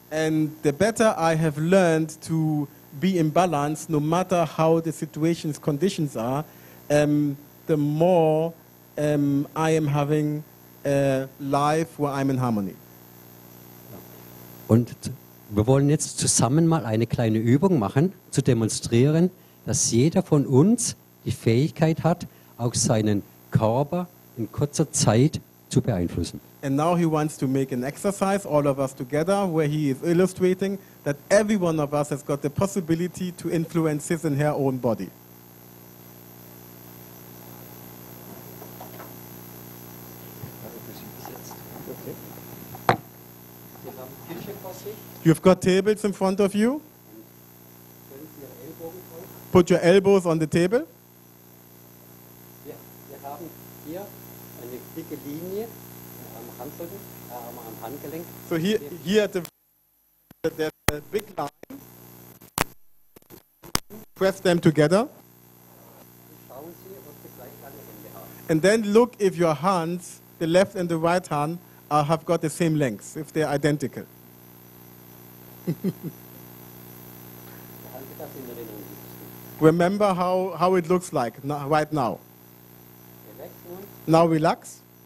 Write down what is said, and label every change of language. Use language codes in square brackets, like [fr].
[en] And the better I have learned to be in balance, no matter how the situation's conditions are, the more I am having a life where I'm in harmony. [de] Und wir wollen jetzt zusammen mal eine kleine Übung machen, zu demonstrieren, dass jeder von uns die Fähigkeit hat, auch seinen Körper in kurzer Zeit zu beeinflussen. [en] And now he wants to make an exercise, all of us together, where he is illustrating that every one of us has got the possibility to influence his and her own body. You've got tables in front of you. Put your elbows on the table. [de] Wir haben hier eine dicke Linie am Handrücken, am Handgelenk. [en] So here the big line. Press them together. [de] Schauen Sie, ob Sie gleich lange Hände haben. [en] And then look if your hands, the left and the right hand, have got the same length, if they're identical. Remember how it looks like right now. Now relax.